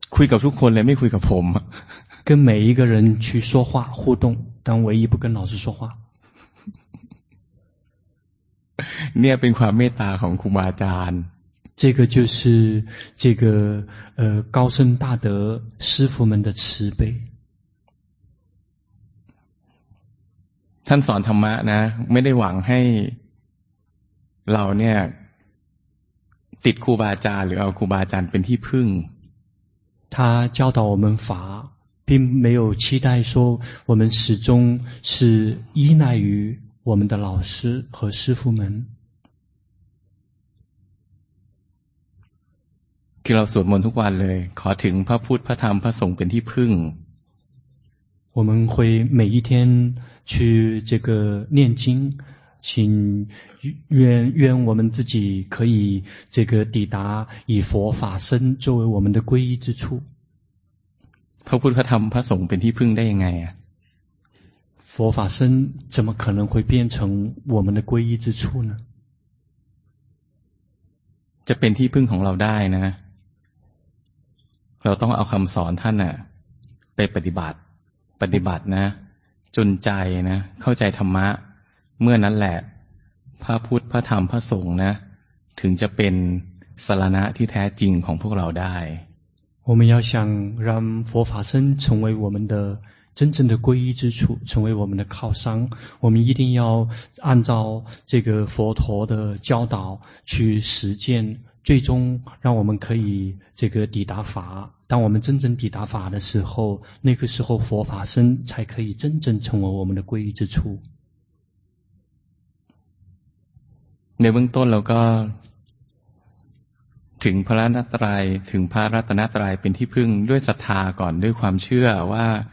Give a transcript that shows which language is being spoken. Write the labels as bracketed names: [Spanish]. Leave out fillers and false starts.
[Thai] คุยกับทุกคนเลยไม่คุยกับผม [Chinese] 跟每一个人去说话互动但唯一不跟老师说话 [Thai] เนี่ยเป็นความเมตตาของครูบาอาจารย์ [Chinese] 这个就是这个高僧大德师父们的慈悲。 [Thai] ท่านสอนธรรมะนะไม่ได้หวังให้เราเนี่ยติดครูบาอาจารย์หรือเอาครูบาอาจารย์เป็นที่พึ่ง。 [Chinese] 他教导我们法，并没有期待说我们始终是依赖于我们的老师和师父们。 [Thai] ที่เราสวดมนต์ทุกวันเลยขอถึงพระพุทธพระธรรมพระสงฆ์เป็นที่พึ่ง [Chinese] 我们会每一天去这个念经请愿我们自己可以这个抵达以佛法身作为我们的皈依之处 [Thai] พระพุทธพระธรรมพระสงฆ์เป็นที่พึ่งได้ยังไงอ่ะ [Chinese] 佛法身怎么可能会变成我们的皈依之处呢 [Thai] จะเป็นที่พึ่งของเราได้นะเราต้องเอาคำสอนท่านน่ะไปปฏิบัตินะจนใจนะเข้าใจธรรมะเมื่อนั้นแหละพระพุทธพระธรรมพระสงฆ์นะถึงจะเป็นสรณะที่แท้จริงของพวกเราได้ [Chinese] 我们要想让佛法身成为我们的真正的皈依之处成为我们的靠山我们一定要按照这个佛陀的教导去实践最终让我们可以这个抵达法当我们真正抵达法的时候那个时候佛法身才可以真正成为我们的皈依之处 [Thai] ในเบื้องต้นเราก็ถึงพระรัตนตรัยถึงพระรัตนตรัยเป็นที่พึ่งด้วยศรัทธาก่อนด้วยความเชื่อว่า